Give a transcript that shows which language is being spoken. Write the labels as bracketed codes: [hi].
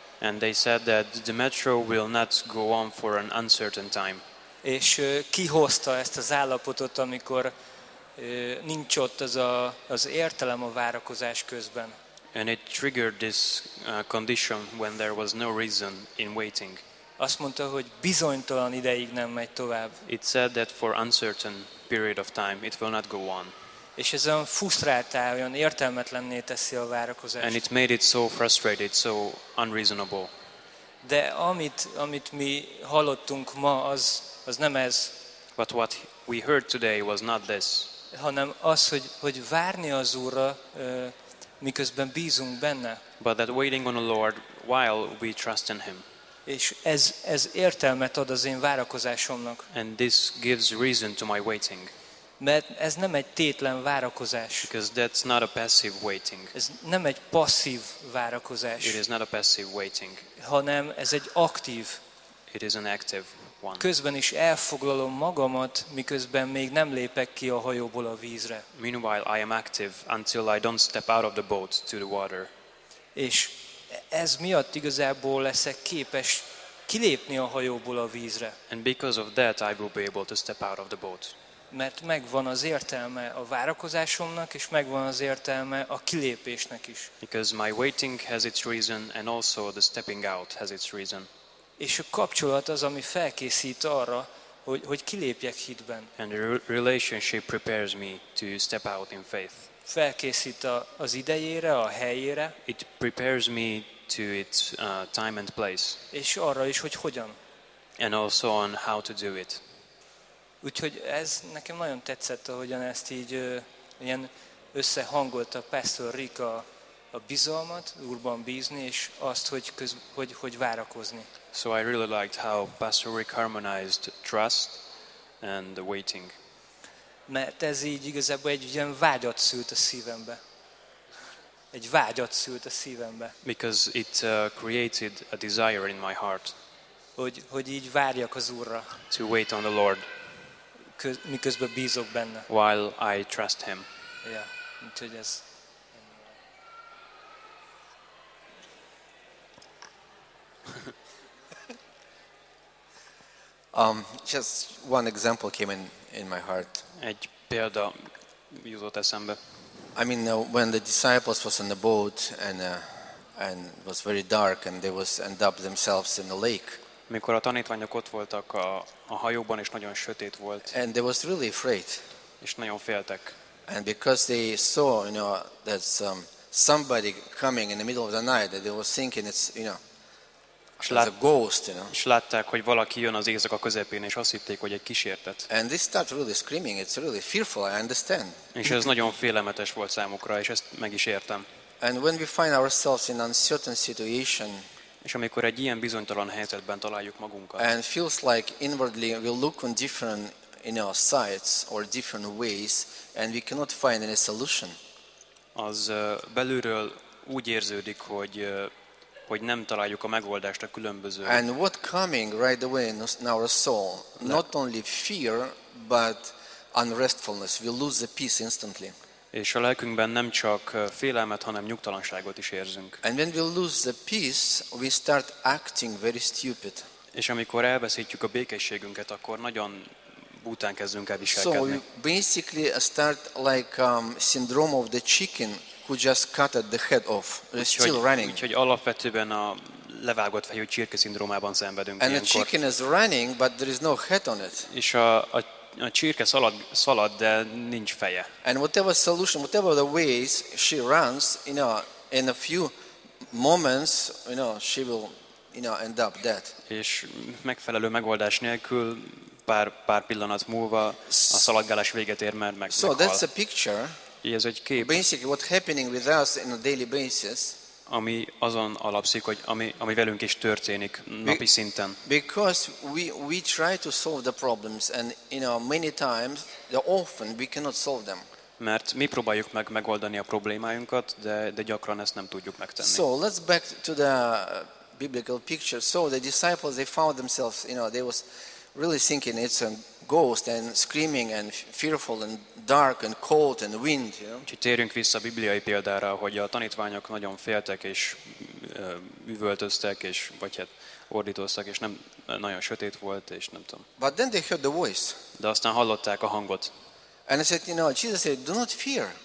[en] And they said that the metro will not go on for an uncertain time. [hu] És ki hozta ezt az állapotot, amikor nincs ott az értelem a várakozás közben. [en] And it triggered this condition when there was no reason in waiting. [hu] Azt mondta, hogy bizonytalan ideig nem megy tovább. [en] It said that for uncertain period of time it will not go on. [hu] És ez olyan frusztráltá, olyan értelmetlenné teszi a várakozást. [en] And it made it so frustrated, so unreasonable. [hu] De amit mi hallottunk ma, az nem ez. [en] But what we heard today was not this. [hu] Hanem az, hogy várni az Úrra, miközben bízunk benne. [en] But that waiting on the Lord while we trust in Him. [hu] És ez értelmet ad az én várakozásomnak. [en] And this gives reason to my waiting. [hu] Mert ez nem egy tétlen várakozás. [en] Because that's not a passive waiting. [hu] Ez nem egy passzív várakozás. [en] It is not a passive waiting. [hu] Hanem ez egy aktív. [en] It is an active one. [hu] Közben is elfoglalom magamat, miközben még nem lépek ki a hajóból a vízre. [en] Meanwhile I am active until I don't step out of the boat to the water. [hu] És ez miatt igazából leszek képes kilépni a hajóból a vízre. [en] And because of that I will be able to step out of the boat. [hu] Mert megvan az értelme a várakozásomnak, és megvan az értelme a kilépésnek is. [en] Because my waiting has its reason and also the stepping out has its reason. [hu] És a kapcsolat az, ami felkészít arra, hogy kilépjek hitben. [en] And the relationship prepares me to step out in faith. [hu] Felkészít az idejére, a helyére. [en] It prepares me to its time and place. [hu] És arra is, hogy hogyan. [en] And also on how to do it. [hu] Úgyhogy ez nekem nagyon tetszett, ahogyan ezt így ilyen összehangolta Pastor Rick a bizalmat, Úrban bízni, és azt, hogy várakozni. [en] So I really liked how Pastor Rick harmonized trust and the waiting. [hu] Mert ez így igazából egy ilyen vágyat szült a szívembe. Egy vágyat szült a szívembe. [en] Because it created a desire in my heart. [hu] Hogy így várjak az Úrra. [en] To wait on the Lord. [hu] Miközben bízok benne. [en] While I trust him. [hu] Yeah, úgyhogy ez. [en] Just one example came in my heart. [hu] Egy példa jutott eszembe. [en] I mean, when the disciples was on the boat and it was very dark and they was end up themselves in the lake. [hu] Mikor a tanítványok ott voltak a hajóban és nagyon sötét volt. [en] And they was really afraid. [hu] És nagyon féltek. [en] And because they saw, you know, that somebody coming in the middle of the night, that they was thinking it's, you know, a ghost, you know. [hu] És látták, hogy valaki jön az éjszaka közepén, és azt hitték, hogy egy kísértet. [en] And they start really screaming. It's really fearful. I understand. [hu] És ez nagyon félelmetes volt számukra, és ezt meg is értem. [en] And when we find ourselves in uncertain situation. [hu] És amikor egy ilyen bizonytalan helyzetben találjuk magunkat. [en] And feels like inwardly we look on different, you know, sides or different ways, and we cannot find any solution. [hu] Az belülről úgy érződik, hogy nem találjuk a megoldást a különböző. [en] And what coming right away in our soul? Not only fear, but unrestfulness. We lose the peace instantly. [hu] És a lelkünkben nem csak félelmet, hanem nyugtalanságot is érzünk. [en] And when we lose the peace, we start acting very stupid. [hu] És amikor elveszítjük a békességünket, akkor nagyon bután kezdünk el viselkedni. [en] So we basically start like syndrome of the chicken who just cut the head off. It's still running. [hu] Úgyhogy alapvetően a levágott fejű csirke szindrómában szenvedünk. [en] And [hu] ilyenkor. [en] The chicken is running, but there is no head on it. [hu] És a csirke szalad, de nincs feje. [en] And whatever solution, whatever the ways she runs, you know, in a few moments, you know, she will, you know, end up dead. [hu] És megfelelő megoldás nélkül pár pillanat múlva a szaladgálás véget ér, mert meghal. [en] So that's a picture. [hu] Ez egy kép. [en] Basically what happening with us in a daily basis. [hu] Ami azon alapszik, hogy ami velünk is történik napi szinten. [en] Because we try to solve the problems and, you know, many times, often we cannot solve them. [hu] Mert mi próbáljuk megoldani a problémáinkat, de gyakran ezt nem tudjuk megtenni. [en] So let's back to the biblical picture. So the disciples, they found themselves, you know, they was really thinking it's a ghost and screaming and fearful and dark and cold and wind, you know. [hu] Térjünk vissza a bibliai példára, hogy a tanítványok nagyon féltek és üvöltöztek és vagy hát ordítoztak, és nem nagyon sötét volt, és nem tudom. [en] But then they heard the voice. [hu] De aztán hallották a hangot. [en] And I said, you know, Jesus said, do not fear.